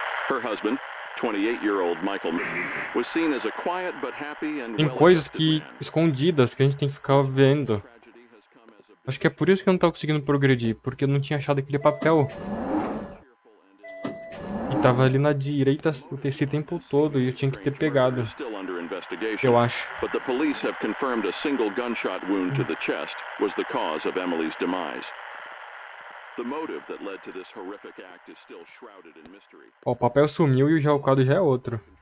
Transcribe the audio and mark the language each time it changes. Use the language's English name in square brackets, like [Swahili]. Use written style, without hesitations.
[English] Her husband, 28-year-old Michael, was seen as a quiet but happy and well-adjusted. [Portuguese] Tem coisas que escondidas que a gente tem que ficar vendo. Acho que é por isso que eu não tava conseguindo progredir, porque eu não tinha achado aquele papel. E tava ali na direita esse tempo todo e eu tinha que ter pegado. Eu acho. [English] But the police have confirmed a single gunshot wound to the chest was the cause of Emily's demise. The motive that led to this horrific act is still shrouded in mystery. [Portuguese] Ó, o papel sumiu e já o quadro já é outro.